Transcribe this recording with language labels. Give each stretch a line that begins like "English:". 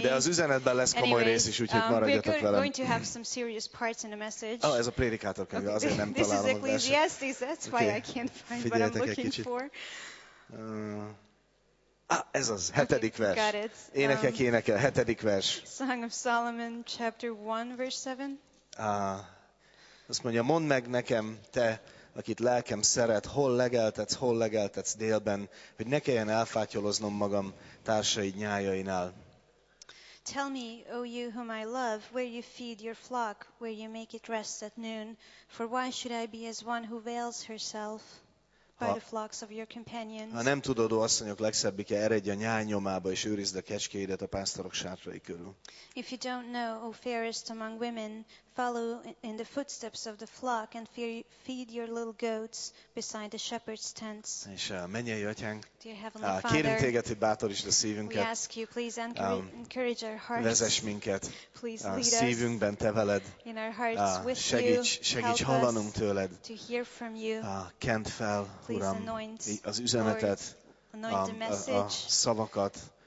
Hungarian: de az üzenetben lesz komoly rész is, úgyhogy maradjatok velem.
English: We're going to have some serious parts in the message.
Hungarian: Oh, ez a prédikátor könyve, okay, azért nem találom.
English: This is Ecclesiastes, that's why I can't find what I'm looking for.
Hungarian: Ez az, hetedik vers.
English: Got it.
Hungarian: Énekek éneke, hetedik vers.
English: Song of Solomon, chapter 1, verse 7.
Hungarian: Azt mondja, mondd meg nekem, te, akit lelkem szeret, hol legeltetsz délben, hogy ne kelljen elfátyoloznom magam társaid nyájainál.
English: Tell me, O you whom I love, where you feed your flock, where you make it rest at noon, for why should I be as one who veils herself by the flocks of your companions?
Hungarian: Ha nem tudod, ó asszonyok legszebbike, eredj a nyáj nyomába, és őrizd a kecskéidet a pásztorok sátrai körül.
English: If you don't know, O fairest among women, follow in the footsteps of the flock and feed your little goats beside the shepherd's tents.
Hungarian: És mennyei atyánk, kérünk téged, hogy bátorítsd a szívünket.
English: We ask you, please encourage our hearts.
Hungarian: Vezess minket.
English: Please lead us.
Hungarian: Szívünkben te veled.
English: In our hearts with you.
Hungarian: Segíts hallanunk tőled.
English: To hear from you.
Hungarian: Kent fel, Uram, az üzenetet, a szavakat.